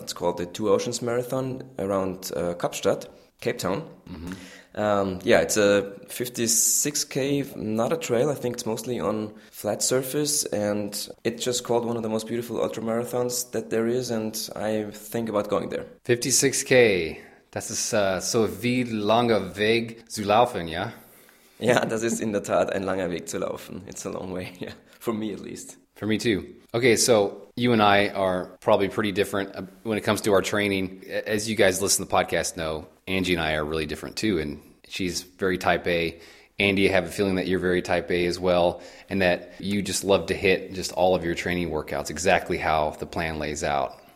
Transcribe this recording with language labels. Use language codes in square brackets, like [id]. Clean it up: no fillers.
[en] It's called the Two Oceans Marathon around Kapstadt, Cape Town. Mm-hmm. It's a 56K, not a trail. I think it's mostly on flat surface, and it's just called one of the most beautiful ultramarathons that there is, and I think about going there. [de] 56K, das ist so wie langer Weg zu laufen, ja? Ja, das ist in der Tat ein langer Weg zu laufen. [en] It's a long way, yeah, for me at least. For me too. Okay, so you and I are probably pretty different when it comes to our training. As you guys listen to the podcast know, Angie and I are really different too, and she's very type A, Andy, I have a feeling that you're very type A as well, and that you just love to hit just all of your training workouts, exactly how the plan lays out.